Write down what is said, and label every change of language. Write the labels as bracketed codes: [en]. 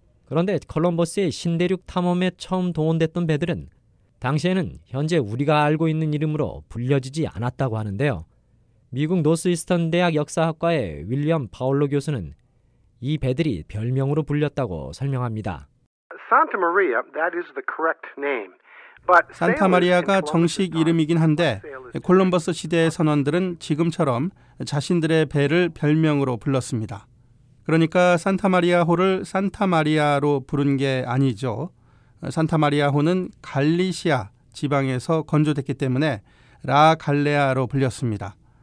[ko] 그런데 콜럼버스의 신대륙 탐험에 처음 동원됐던 배들은 당시에는 현재 우리가 알고 있는 이름으로 불려지지 않았다고 하는데요. 미국 노스이스턴 대학 역사학과의 윌리엄 파울로 교수는 이 배들이 별명으로 불렸다고 설명합니다. [en] Santa Maria, that is the correct name. But [ko] 산타마리아가 정식 이름이긴 한데 콜럼버스 시대의 선원들은 지금처럼 자신들의 배를 별명으로 불렀습니다. 그러니까 산타마리아 호를 산타마리아로 부른 게 아니죠. 산타마리아 호는 갈리시아 지방에서 건조됐기 때문에 라 갈레아로 불렸습니다.